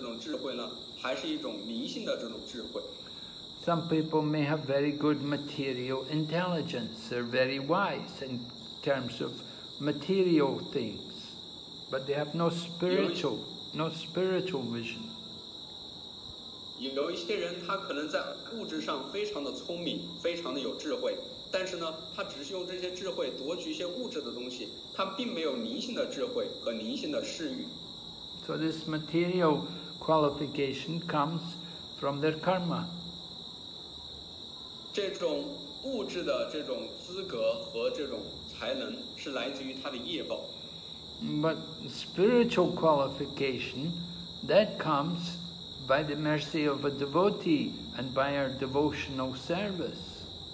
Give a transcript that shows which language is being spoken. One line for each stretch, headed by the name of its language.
Chinese: 所以我们应该去考虑和辨别他们的这种智慧和智商是从哪个方面去看的？他们是一种物质的这种智慧呢，还是一种灵性的这种智慧？
English: Some people may have very good material intelligence, they're very wise in terms of material things, but they have no spiritual vision.
Chinese: 有一些人他可能在物质上非常的聪明，非常的有智慧，但是呢，他只是用这些智慧夺取一些物质的东西，他并没有灵性的智慧和灵性的视域。
English: So this material qualification comes from their karma.
Chinese: 这种物质的这种资格和这种才能是来自于他的业报。
English: But spiritual qualification, that comes by the mercy of a devotee and by our devotional service.